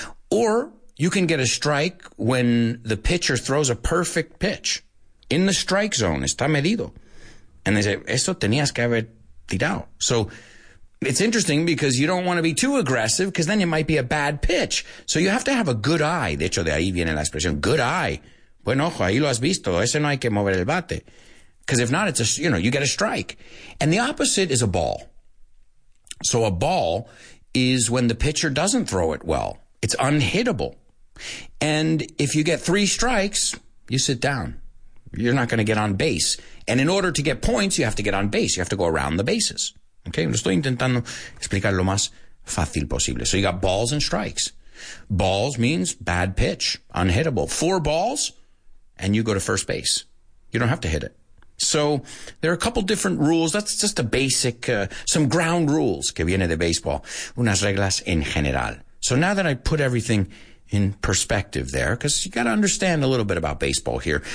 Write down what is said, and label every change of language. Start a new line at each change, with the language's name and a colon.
English: Or you can get a strike when the pitcher throws a perfect pitch in the strike zone.
Spanish: Está medido.
English: And they say,
Spanish: eso tenías que haber tirado.
English: So it's interesting because you don't want to be too aggressive because then it might be a bad pitch. So you have to have a good eye.
Spanish: De hecho, de ahí viene la expresión, good eye. Buen ojo, ahí lo has visto. Ese no hay que mover el bate.
English: Because if not, it's a, you know, you get a strike. And the opposite is a ball. So a ball is when the pitcher doesn't throw it well. It's unhittable. And if you get three strikes, you sit down. You're not going to get on base. And in order to get points, you have to get on base. You have to go around the bases.
Spanish: Okay, lo estoy intentando explicar lo más fácil posible.
English: So you got balls and strikes. Balls means bad pitch, unhittable. Four balls, and you go to first base. You don't have to hit it. So there are a couple different rules. That's just a basic, some ground rules
Spanish: que viene de
English: baseball.
Spanish: Unas reglas en general.
English: So now that I put everything in perspective there, because you got to understand a little bit about baseball here.